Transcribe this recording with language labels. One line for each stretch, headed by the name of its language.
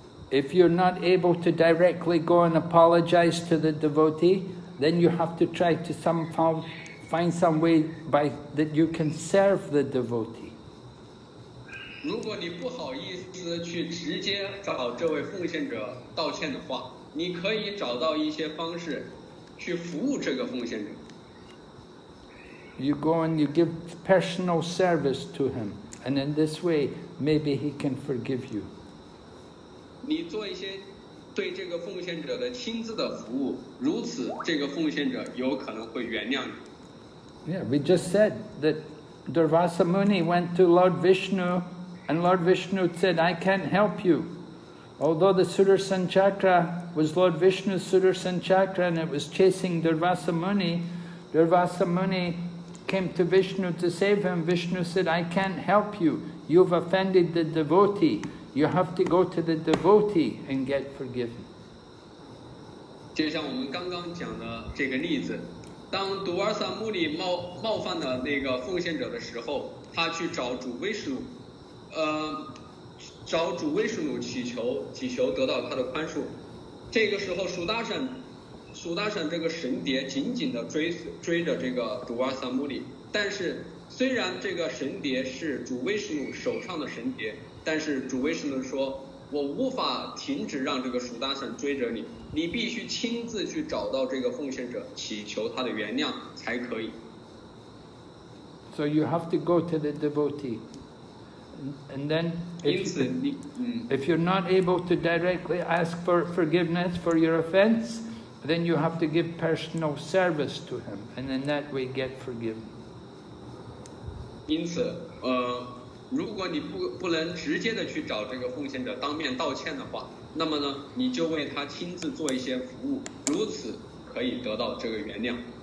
English: If you're not able to directly go and apologize to the devotee, then you have to try to somehow find some way by that you can serve the devotee.
Chinese: 如果你不好意思去直接找这位奉献者道歉的话，你可以找到一些方式去服务这个奉献者。
English: You go and you give personal service to him, and in this way, maybe he can forgive you.
Chinese: 你做一些对这个奉献者的亲自的服务，如此这个奉献者有可能会原谅你。
English: Yeah, we just said that Durvasa Muni went to Lord Vishnu, and Lord Vishnu said, I can't help you. Although the Sudarshan Chakra was Lord Vishnu's Sudarshan Chakra and it was chasing Durvasa Muni, Durvasa Muni came to Vishnu to save him. Vishnu said, I can't help you. You've offended the devotee. You have to go to the devotee and get forgiven.
Chinese: 就像我们刚刚讲的这个例子，当杜瓦萨穆尼冒犯了那个奉献者的时候，他去找主威士努，找主威士努祈求得到他的宽恕。这个时候，苏达善这个神蝶紧紧地追着这个杜瓦萨穆尼，但是虽然这个神蝶是主威士努手上的神蝶，但是主威士努说，我无法停止让这个苏达善追着你，你必须亲自去找到这个奉献者，祈求他的原谅才可以。
English: So you have to go to the devotee, and then if you're not able to directly ask for forgiveness for your offense, then you have to give personal service to him, and in that way get forgiven.
Chinese: 因此，如果你不能直接的去找这个奉献者当面道歉的话，那么呢，你就为他亲自做一些服务，如此可以得到这个原谅。